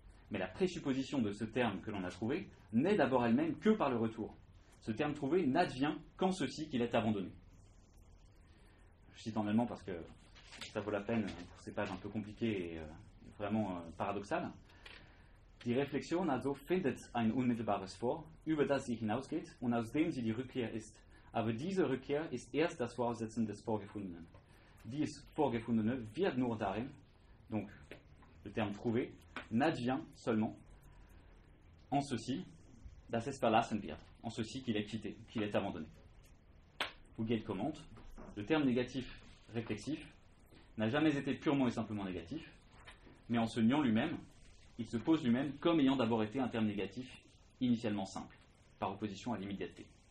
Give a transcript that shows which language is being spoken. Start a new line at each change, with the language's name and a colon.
French: Mais la présupposition de ce terme que l'on a trouvé n'est d'abord elle-même que par le retour. Ce terme trouvé n'advient qu'en ceci qu'il est abandonné. Je cite en allemand parce que ça vaut la peine pour ces pages un peu compliquées et vraiment paradoxales.
German: Die Reflexion also findet ein unmittelbares Vor, über das sie hinausgeht und aus dem sie die Rückkehr ist, aber diese Rückkehr ist erst das Voraussetzen des Vorgefundenen. Dies Vorgefundene wird nur darin,
French: donc le terme trouvé, n'advient seulement en ceci,
German: dass es verlassen wird,
French: en ceci qu'il est quitté, qu'il est abandonné. Huguette commente, le terme négatif réflexif n'a jamais été purement et simplement négatif, mais en se niant lui-même, il se pose lui-même comme ayant d'abord été un terme négatif initialement simple, par opposition à l'immédiateté.